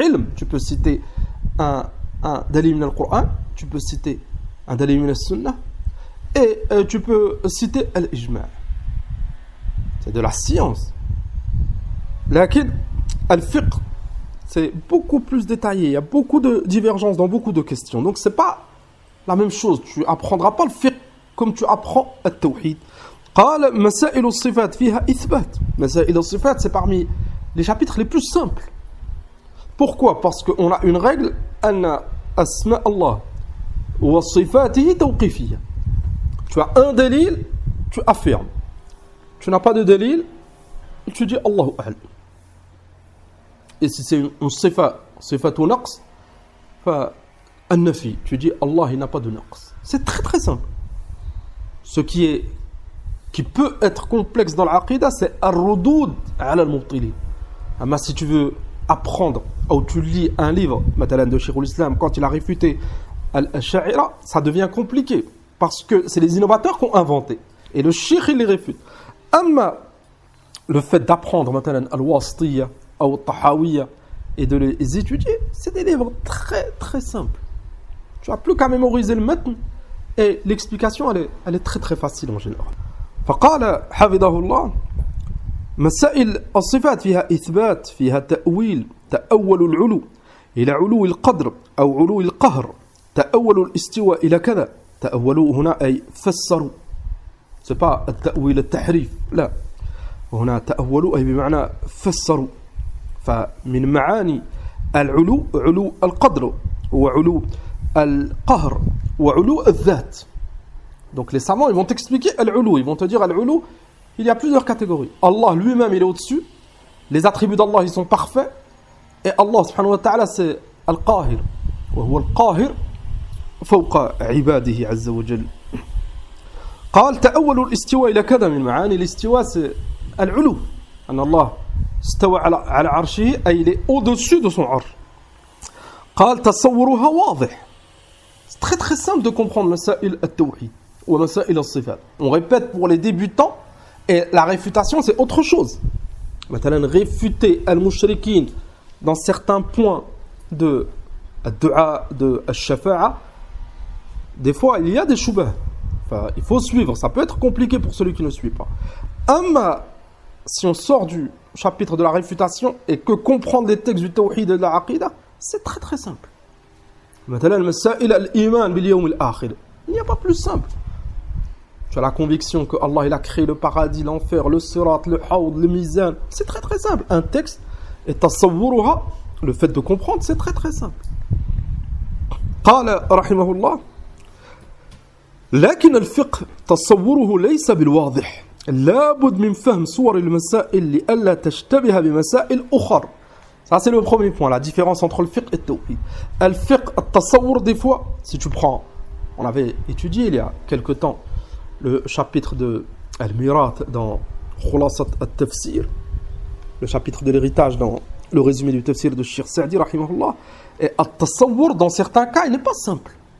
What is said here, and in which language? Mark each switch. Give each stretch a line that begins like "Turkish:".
French: Ilm, tu peux citer un dalil min al-Qur'an, tu peux citer un dalil min al-Sunnah, et tu peux citer al-Ijma'. C'est de la science. Lakin, al-Fiqh, c'est beaucoup plus détaillé. Il y a beaucoup de divergences dans beaucoup de questions. Donc, ce n'est pas la même chose. Tu n'apprendras pas le fiqh comme tu apprends le tawhid.
Arabic: قال مسائل الصفات فيها إثبات.
French: مسائل الصفات, c'est parmi les chapitres les plus simples. Pourquoi ? Parce qu'on a une règle.
Arabic: أن أسماء الله وصفاته توقيفية.
French: Tu as un délil, tu affirmes. Tu n'as pas de délil, tu dis Allahu A'lam. Et si c'est un sifat ou naqs, an-nafi, tu dis Allah il n'a pas de naqs. C'est très très simple. Ce qui peut être complexe dans l'aqidah, c'est ar-rudud ala al-mubtili. Mais si tu veux apprendre ou tu lis un livre, matalan de Cheikhul Islam, quand il a réfuté al-Asha'ira, ça devient compliqué parce que c'est les innovateurs qui ont inventé et le Cheikh il les réfute. Amma le fait d'apprendre maintenant al-wasitiyya ou al-tahawiyya et de les étudier, c'est des livres très très simples. Tu n'as plus qu'à mémoriser le matn et l'explication elle est très très facile en général.
Arabic: فقال حفظه الله مسائل الصفات فيها إثبات فيها تأويل تأول العلو إلى علو القدر أو علو القهر تأول الاستواء إلى كذا تأولوا هنا أي فسروا سبا التأويل التحريف لا هنا تأولوا أي بمعنى فسروا فمن معاني العلو علو القدر وعلو القهر وعلو الذات.
French: Donc les savants, ils vont t'expliquer Al-Ulu. Ils vont te dire Al-Ulu, il y a plusieurs catégories. Allah lui-même, il est au-dessus. Les attributs d'Allah, ils sont parfaits.
Arabic: Et Allah, subhanahu wa ta'ala, c'est Al-Qahir. Wa huwa Al-Qahir fawqa 'ibadihi 'azza wa jalla. قال تأول الاستواء إلى كذا من معاني الاستواء c'est Al-Ulu. أن الله استوى على عرشه أي
French: il est au-dessus de son
Arabic: عرش. قال تصورها واضح.
French: C'est très très simple de comprendre مسائل التوحيد. On répète pour les débutants et la réfutation c'est autre chose. Maintenant, réfuter al-mushrikin dans certains points de du'a, de al-shafa'a, des fois il y a des choubahs. Enfin, il faut suivre, ça peut être compliqué pour celui qui ne suit pas. Amma, si on sort du chapitre de la réfutation et que comprendre les textes du tawhid et de la aqidah, c'est très très simple. Maintenant, masail al-iman bil-yawm al-akhir, il n'y a pas plus simple. Tu as la conviction que Allah il a créé le paradis, l'enfer, le surat, le haoud, le mizan. C'est très très simple. Un texte est tasawwuruha, le fait de comprendre, c'est très très simple.
Arabic: قال رحمه الله لكن الفقه تصوره ليس بالواضح لابد من فهم صور المسائل لئلا تشتبه بمسائل أخرى.
French: Ça c'est le premier point, la différence entre le fiqh et le tawhid. Le fiqh, le tasawwur des fois, si tu prends, on avait étudié il y a quelque temps le chapitre de Al-Mirat dans Khulasat al-Tafsir, le chapitre de l'héritage dans le résumé du Tafsir de Cheikh Sa'di rahimahullah, et al-tasawwur dans certains cas, il n'est pas simple.